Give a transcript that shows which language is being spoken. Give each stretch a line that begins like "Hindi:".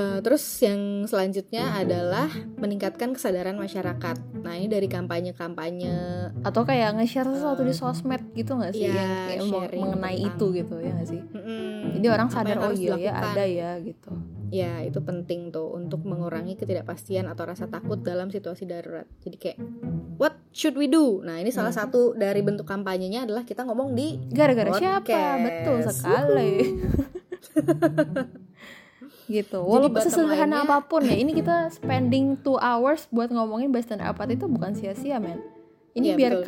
Indonesian: Terus yang selanjutnya adalah meningkatkan kesadaran masyarakat. Nah, ini dari kampanye-kampanye atau kayak nge-share sesuatu di sosmed gitu enggak sih yang mengenai itu gitu ya enggak sih? Jadi orang sadar ada ya gitu. Ya, itu penting tuh untuk mengurangi ketidakpastian atau rasa takut dalam situasi darurat. Jadi kayak
English: what should we do?
Indonesian: Nah, ini salah satu dari bentuk kampanyenya adalah kita ngomong di gara-gara podcast. Siapa? Betul sekali. Gitu. Walaupun sesederhana apapun ya, ini kita
English: spending 2 hours
Indonesian: buat ngomongin Boston Apart itu bukan sia-sia, men. Ini ya, biar betul.